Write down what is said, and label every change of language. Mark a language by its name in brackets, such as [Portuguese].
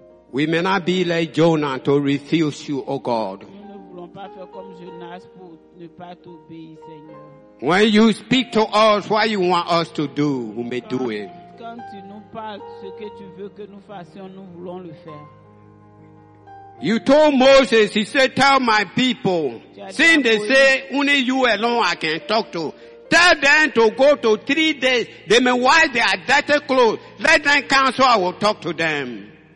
[English] We may not be like Jonah to refuse you, O God. When you speak to us what you want us to do, we may do it. [French] Quand tu nous parles ce que tu veux que nous fassions, nous voulons le faire. [English] You told Moses, he said, tell my people, since they say only you alone I can talk to, tell them to go to 3 days, they may wash their dirty clothes, let them come so I will talk to them.